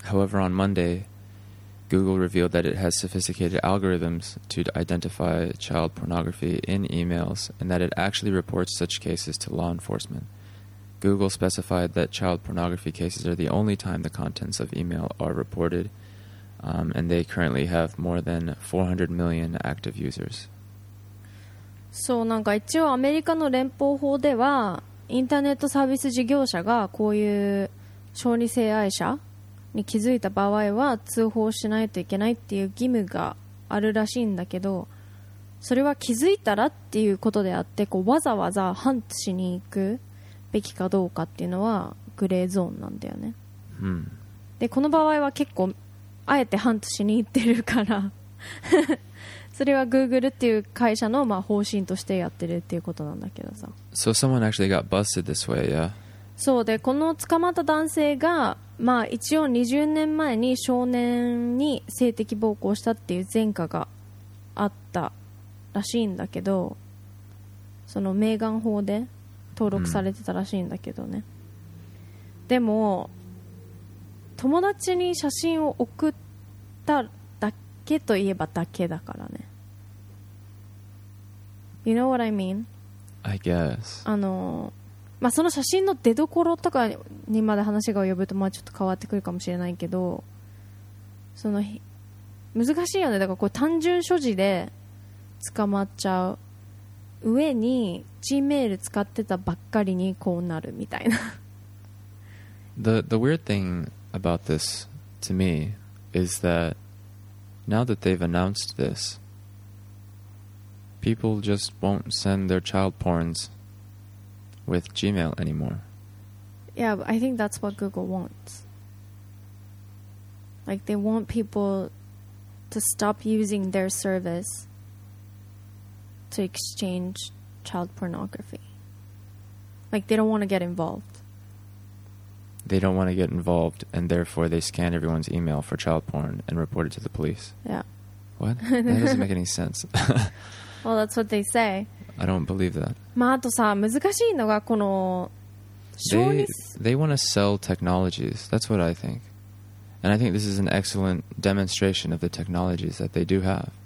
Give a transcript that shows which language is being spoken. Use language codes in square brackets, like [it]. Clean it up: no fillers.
[en] However, on Monday, Google revealed that it has sophisticated algorithms to identify child pornography in emails and that it actually reports such cases to law enforcement. Google specified that child pornography cases are the only time the contents of email are reported, and they currently have more than 400 million active users. [ja] So, なんか一応アメリカの連邦法ではインターネットサービス事業者がこういう小児性愛者に気づいた場合は通報しないといけないっていう義務があるらしいんだけど、それは気づいたらっていうことであって、こうわざわざハンツしに行くべきかどうかっていうのはグレーゾーンなんだよね。うん、でこの場合は結構あえてハンツしに行ってるからそれは Google っていう会社のまあ方針としてやってるっていうことなんだけどさ。 [en] So someone actually got busted this way, yeah? [ja] そうで、この捕まった男性が、まあ、一応20年前に少年に性的暴行したっていう前科があったらしいんだけど、そのメーガン法で登録されてたらしいんだけどね。でも友達に写真を送っただけといえばだけだからね。 [en] You know what I mean? I guess. [ja] まあ、その写真の出所とかにまで話が及ぶとまあちょっと変わってくるかもしれないけど、その難しいよね。だからこう単純所持で捕まっちゃう上に Gmail 使ってたばっかりにこうなるみたいな。 [en] The weird thing about this to me is that now that they've announced this,People just won't send their child porns with Gmail anymore. Yeah, but I think that's what Google wants. Like, they want people to stop using their service to exchange child pornography. Like, they don't want to get involved. They don't want to get involved, and therefore they scan everyone's email for child porn and report it to the police. Yeah. What? That doesn't make any sense. Well, that's what they say. I don't believe that. [ja] まああとさ、難しいのがこの [en] They want to sell technologies. That's what I think. And I think this is an excellent demonstration of the technologies that they do have.